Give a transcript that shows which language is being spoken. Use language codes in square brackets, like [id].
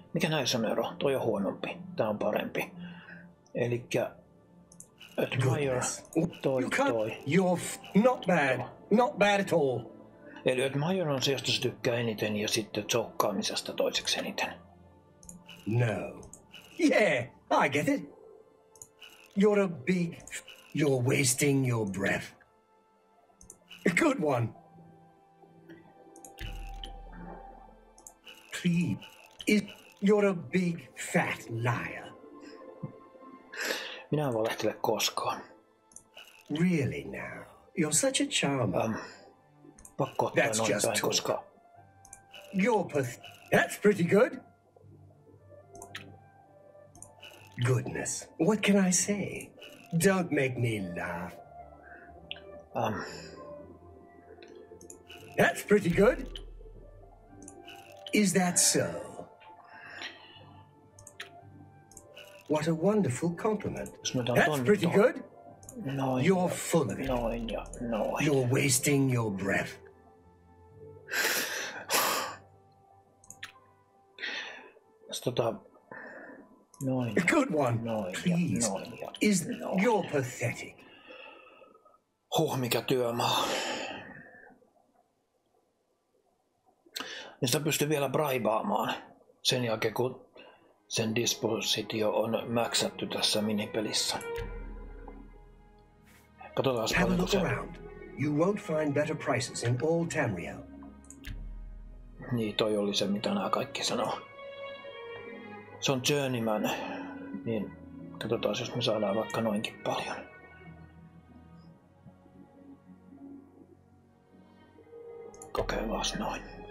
[fi] Mikä näissä on ero? Toi on huonompi. Tää on parempi. Elikkä... Admire... Toi... [en] You're not bad at all. [fi] Eli Admire on se, josta se tykkää eniten, ja sitten tsoukkaamisesta toiseksi eniten. [en] No. Yeah, I get it. You're a big You're wasting your breath. A good one. Clee, you're a big fat liar. [fi] Minä en voi lähteä koskaan. [en] Really now? You're such a charmer. [fi] Pakko ottaa noin just päin, koska... [en] You're That's pretty good. Goodness, what can I say? Don't make me laugh. That's pretty good. Is that so? What a wonderful compliment. That's pretty good. [fi] Noin. [en] You're full of it. [fi] Noin ja noin. [en] You're wasting your breath. [fi] Noin. [en] A good one. [fi] Noin. [en] Please. [fi] Noin. [en] Is noin. You're pathetic. [fi] Huh, mikä työmaa. Niistä pystyy vielä braibaamaan sen jälkeen, kun sen dispositio on mäksätty tässä minipelissä. Katsotaan, [en] have a look around. You won't find better prices in all Tamriel. [fi] Niin, toi oli se, mitä nämä kaikki sanoo. Se on journeyman. Niin, katsotaan, jos me saadaan vaikka noinkin paljon. Kokeen vaas noin.